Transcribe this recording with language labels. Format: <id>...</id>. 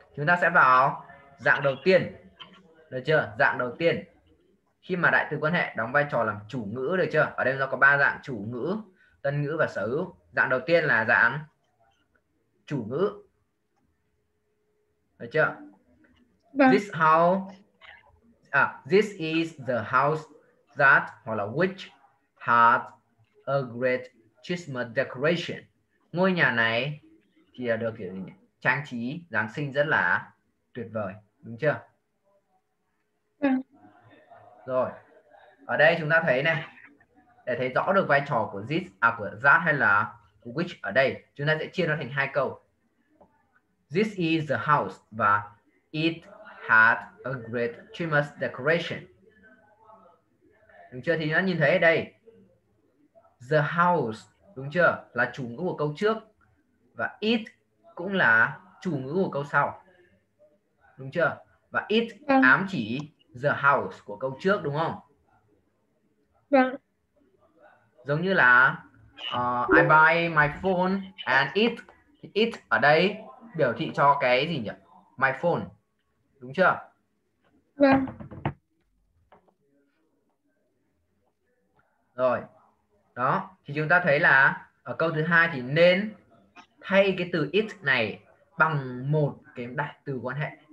<vi>Chúng ta sẽ vào dạng đầu tiên. Được chưa? Dạng đầu tiên. Khi mà đại từ quan hệ đóng vai trò làm chủ ngữ, được chưa? Ở đây nó có 3 dạng: chủ ngữ, tân ngữ và sở hữu. Dạng đầu tiên là dạng chủ ngữ. Được chưa? Vâng.</vi> <en>This house, this is the house that,</en> <vi>hoặc là</vi> <en>which had a great Christmas decoration.</en> <vi>Ngôi nhà này thì được kiểu trang trí Giáng sinh rất là tuyệt vời, đúng chưa? Vâng. Rồi, ở đây chúng ta thấy này, để thấy rõ được vai trò của this, của that hay là which ở đây, chúng ta sẽ chia nó thành hai câu.</vi> <en>This is the house</en> <vi>và</vi> <en>it had a great Christmas decoration.</en> <vi>Đúng chưa? Thì nó nhìn thấy ở đây,</vi> <en>the house,</en> <vi>đúng chưa? Là chủ ngữ của câu trước. Và it cũng là chủ ngữ của câu sau. Đúng chưa? Và it ám chỉ</vi> <en>the house</en> <vi>của câu trước, đúng không? Vâng. Giống như là</vi> <en>I buy my phone and it.</en> <vi>It ở đây biểu thị cho cái gì nhỉ?</vi> <en>My phone.</en> <vi>Đúng chưa? Vâng. Rồi. Đó. Thì chúng ta thấy là ở câu thứ hai thì nên thay cái từ it này bằng một cái đại từ quan hệ.</vi>